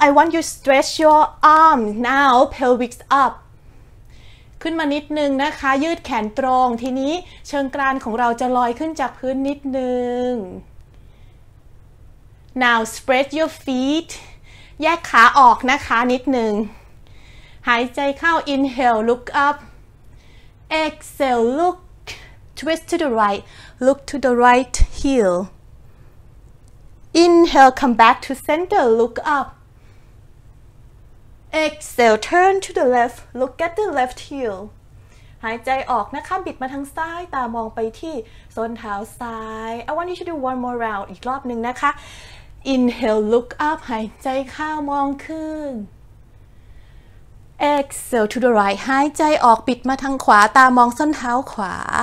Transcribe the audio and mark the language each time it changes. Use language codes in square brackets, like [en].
[en] I want you stretch your arm now, pelvic up. [th] ขึ้นมานิดนึงนะคะยืดแขนตรงทีนี้เชิงกรานของเราจะลอยขึ้นจากพื้นนิดนึง [en] Now spread your feet [th] แยกขาออกนะคะนิดนึงหายใจเข้า [en] Inhale look up Exhale look twist to the right look to the right heel Inhale come back to center look up Exhale, turn to the left, look at the left heel. [th] หายใจออกนะคะบิดมาทางซ้ายตามองไปที่ส้นเท้าซ้าย [en] I want you to do one more round [th] อีกรอบหนึ่งนะคะ [en] Inhale, look up, [th] หายใจเข้ามองขึ้น [en] Exhale, to the right, [th] หายใจออกบิดมาทางขวาตามองส้นเท้าขวา